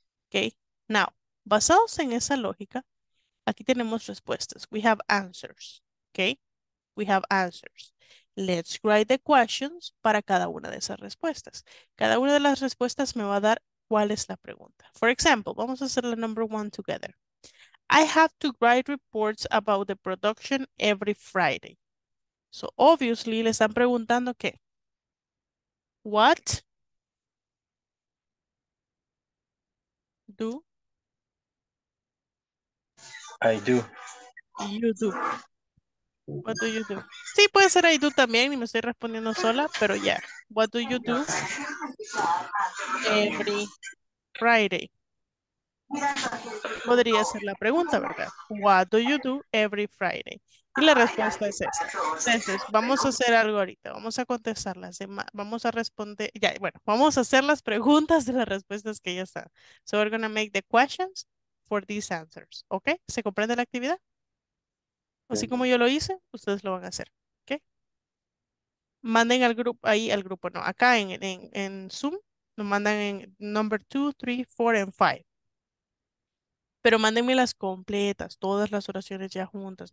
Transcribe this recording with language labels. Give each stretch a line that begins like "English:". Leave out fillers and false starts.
Spanish: Okay, now, basados en esa lógica, aquí tenemos respuestas.
English: We have answers, okay? We have answers. Let's write the questions
Spanish: para cada una de esas respuestas. Cada una de las respuestas me va a dar cuál es la pregunta.
English: For example,
Spanish: vamos a hacer la
English: number one together. I have to write reports about the production every Friday.
Spanish: So obviously, le están preguntando qué.
English: What do I do? You do. What do you do?
Spanish: Sí, puede ser
English: I do
Spanish: también y me estoy respondiendo sola, pero ya.
English: Yeah. What do you do? Every
Spanish: Friday. Podría ser la pregunta, ¿verdad?
English: What do you do every Friday?
Spanish: Y la respuesta es esta. Entonces, vamos a hacer algo ahorita. Vamos a contestarlas. Vamos a responder. Ya, bueno, vamos a hacer las preguntas de las respuestas que ya están.
English: So we're going to make the questions for these answers.
Spanish: ¿Ok? ¿Se comprende la actividad? Así como yo lo hice, ustedes lo van a hacer. ¿Ok? Manden al grupo, ahí al grupo, no. Acá en Zoom, lo mandan en
English: number 2, 3, 4, and 5.
Spanish: Pero mándenme las completas, todas las oraciones ya juntas.